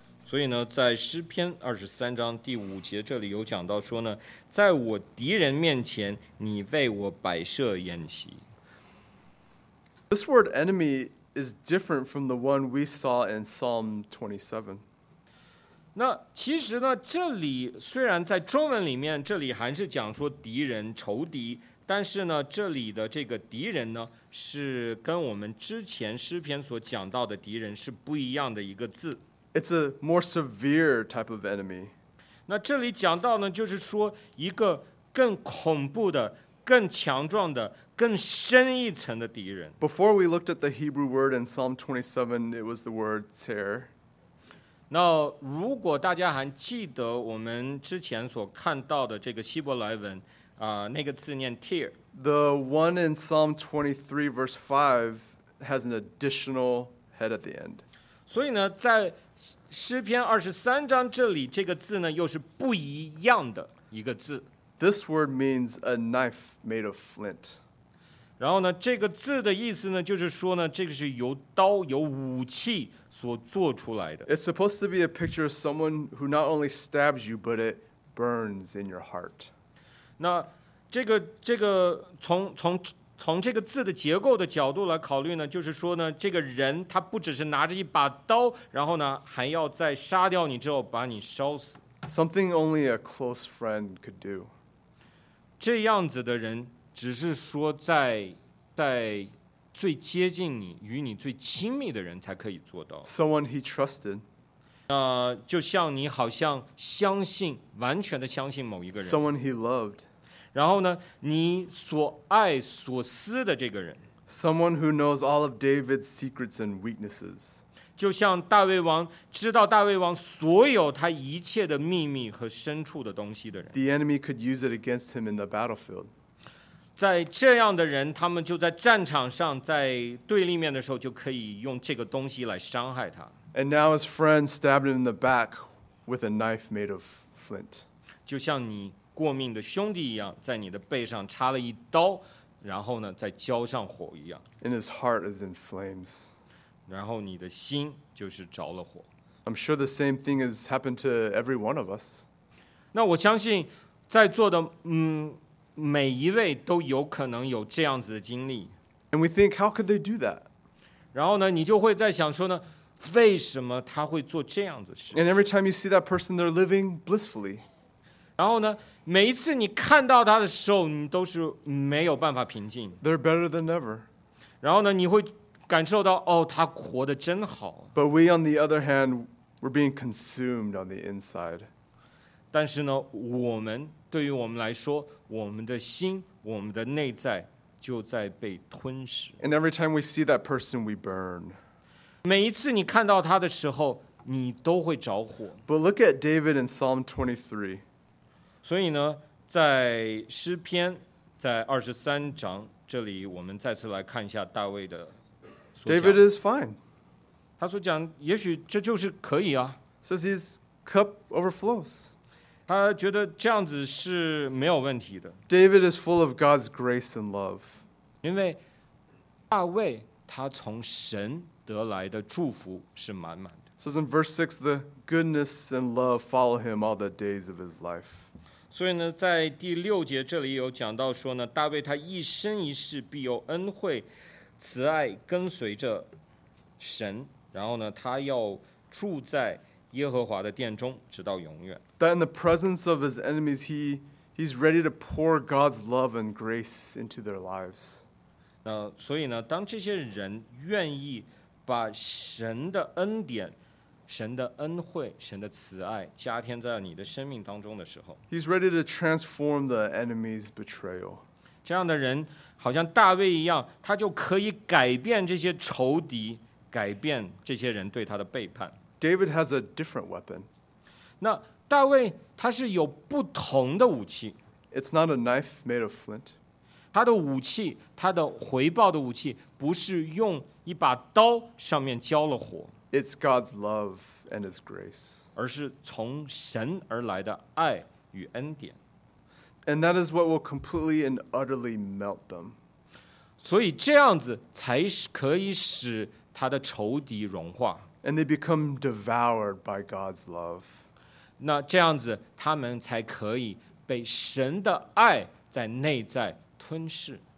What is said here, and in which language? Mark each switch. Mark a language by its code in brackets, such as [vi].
[zh] 所以呢，在诗篇二十三章第五节这里有讲到说呢，在我敌人面前，你为我摆设筵席。 [en] This word enemy is different from the one we saw in Psalm 27. [zh] 那其实呢，这里虽然在中文里面这里还是讲说敌人、仇敌，但是呢，这里的这个敌人呢，是跟我们之前诗篇所讲到的敌人是不一样的一个字。 [en] It's a more severe type of enemy. [zh] 那这里讲到呢，就是说一个更恐怖的、更强壮的、更深一层的敌人。 [en] Before we looked at the Hebrew word in Psalm 27, it was the word tsar. [zh] 那如果大家还记得我们之前所看到的这个希伯来文，那个字念 tear. [en] The one in Psalm 23, verse 5, has an additional head at the end. [zh] 所以呢，在诗篇二十三章这里这个字呢，又是不一样的一个字。 [en] This word means a knife made of flint. [zh] 然后呢，这个字的意思呢，就是说呢，这个是由刀、由武器所做出来的。 [en] It's supposed to be a picture of someone who not only stabs you, but it burns in your heart. [zh] 那这个从这个字的结构的角度来考虑呢，就是说呢，这个人他不只是拿着一把刀，然后呢，还要在杀掉你之后把你烧死。 [en] Something only a close friend could do. [zh] 这样子的人。只是说在最接近你与你最亲密的人才可以做到。 [en] Someone he trusted. [zh] 就像你好像相信完全的相信某一个人。 [en] Someone he loved. [zh] 然后呢你所爱所思的这个人。 [en] Someone who knows all of David's secrets and weaknesses. [zh] 就像大卫王知道大卫王所有他一切的秘密和深处的东西的人。 [en] The enemy could use it against him in the battlefield. [zh] 在这样的人他们就在战场上在对立面的时候就可以用这个东西来伤害他。 [en] And now his friend stabbed him in the back with a knife made of flint. [zh] 就像你过命的兄弟一样在你的背上插了一刀然后呢再浇上火一样。 [en] And his heart is in flames. [zh] 然后你的心就是着了火。 [en] I'm sure the same thing has happened to every one of us. [zh] 那我相信在座的每一位都有可能有这样子的经历。 [en] And we think, how could they do that? [zh] 然后呢，你就会在想说呢，为什么他会做这样子的事？ [en] And every time you see that person, they're living blissfully. [zh] 然后呢，每一次你看到他的时候，你都是没有办法平静。 [en] They're better than ever. [zh] 然后呢，你会感受到，哦，他活得真好。 [en] But we, on the other hand, we're being consumed on the inside. [zh] 但是呢，我们对于我们来说，我们的心，我们的内在就在被吞噬。 [en] And every time we see that person, we burn. [zh] 每一次你看到他的时候，你都会着火。 [en] But look at David in Psalm 23. [zh] 所以呢，在诗篇，在23章，这里我们再次来看一下大卫的。 [en] David is fine. [zh] 他所讲，也许这就是可以啊。 [en] Says his cup overflows. [zh] 他觉得这样子是没有问题的。 [en] David is full of God's grace and love. [zh] 因为大卫他从神得来的祝福是满满的。 [en] So in verse 6, the goodness and love follow him all the days of his life. [zh] 所以呢，在第六节这里有讲到说呢，大卫他一生一世必有恩惠、慈爱跟随着神，然后呢，他要住在耶和华的殿中，直到永远。 [en] That in the presence of his enemies, he's ready to pour God's love and grace into their lives. [zh] 那所以呢，当这些人愿意把神的恩典、神的恩惠、神的慈爱加添在你的生命当中的时候 [en] ，He's ready to transform the enemy's betrayal. [zh] 这样的人好像大卫一样，他就可以改变这些仇敌，改变这些人对他的背叛。 [en] David has a different weapon. [zh] 那大卫他是有不同的武器。 [en] It's not a knife made of flint. [zh] 他的武器，他的回报的武器，不是用一把刀上面浇了火。 [en] It's God's love and His grace. [zh] 而是从神而来的爱与恩典。 [en] And that is what will completely and utterly melt them. [zh] 所以这样子才可以使他的仇敌融化。 [en] And they become devoured by God's love. [zh] 那这样子，他们才可以被神的爱在内在吞噬。